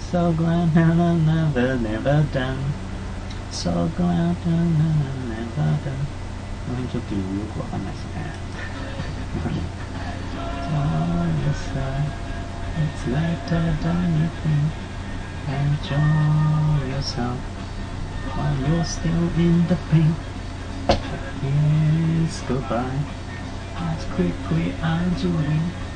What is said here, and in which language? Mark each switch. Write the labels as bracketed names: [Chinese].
[English] So glad I've never, never done. So glad I've never done. [Japanese] この辺ちょっとよくわかんないですね。 [English] Enjoy yourself. It's later than you think. Enjoy yourself while you're still in the pink. Years go by as quickly as you win.